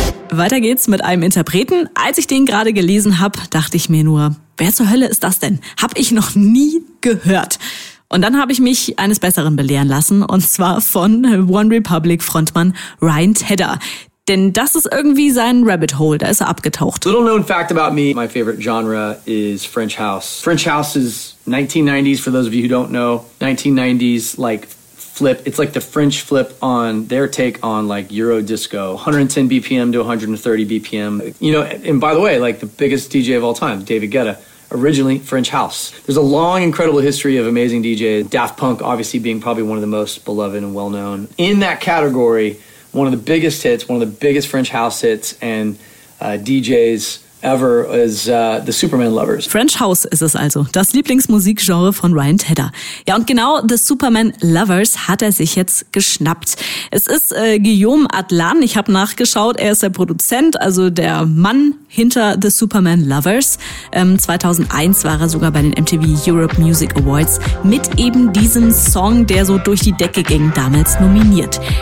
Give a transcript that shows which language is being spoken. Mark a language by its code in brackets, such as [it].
[de] Weiter geht's mit einem Interpreten. Als ich den gerade gelesen habe, dachte ich mir nur, wer zur Hölle ist das denn? Hab ich noch nie gehört. Und dann habe ich mich eines Besseren belehren lassen, und zwar von OneRepublic-Frontmann Ryan Tedder. Denn das ist irgendwie sein Rabbit Hole, da ist er abgetaucht. [en] Little known fact about me, my favorite genre is French House. French House is 1990s, for those of you who don't know. 1990s, like, flip. It's like the French flip on their take on, like, Euro Disco. 110 BPM to 130 BPM. You know, and by the way, like, the biggest DJ of all time, David Guetta. Originally French House. There's a long, incredible history of amazing DJs. Daft Punk, obviously, being probably one of the most beloved and well-known. In that category, one of the biggest hits, one of the biggest French House hits and DJs ever is the Superman Lovers. [de] French House ist es also, das Lieblingsmusikgenre von Ryan Tedder. Ja, und genau The Superman Lovers hat er sich jetzt geschnappt. Es ist Guillaume Atlan, ich habe nachgeschaut, er ist der Produzent, also der Mann hinter The Superman Lovers. 2001 war er sogar bei den MTV Europe Music Awards mit eben diesem Song, der so durch die Decke ging, damals nominiert.